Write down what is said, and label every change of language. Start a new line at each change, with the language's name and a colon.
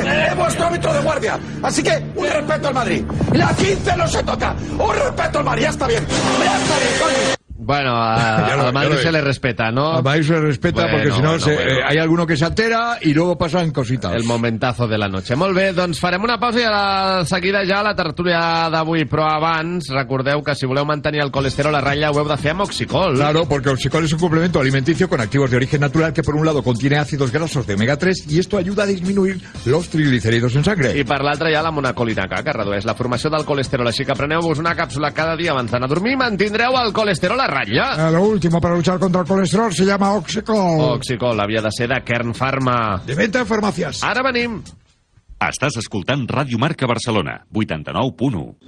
Spanish: Es vuestro árbitro de guardia. Así que un respeto al Madrid. La 15 no se toca. Un respeto al Madrid. Ya está bien. Coño. Bueno, a Madrid se le respeta, ¿no? A Madrid se le respeta, bueno, porque si no, bueno. Hay alguno que se altera y luego pasan cositas. El momentazo de la noche.
Catalan: Molt bé, doncs farem una pausa i a la seguida ja la tertúlia d'avui. Però abans, recordeu que si voleu mantenir el colesterol a ratlla ho heu de fer amb Oxicol.
Spanish: Claro, porque Oxicol es un complemento alimenticio con activos de origen natural que por un lado contiene ácidos grasos de omega 3 y esto ayuda a disminuir los triglicéridos en sangre.
Catalan: I per l'altre hi ha la monacolina K, que redueix la formació del colesterol. Així que preneu-vos una càpsula cada dia abans d'anar a dormir i mantindreu el colesterol a ratlla.
Spanish: Lo último para luchar contra el colesterol se llama Oxicol.
Catalan: Oxicol, havia de ser de Kern Pharma.
Spanish: De venta a farmacias.
Catalan: Ara venim. Estàs escoltant Ràdio Marca Barcelona, 89.1.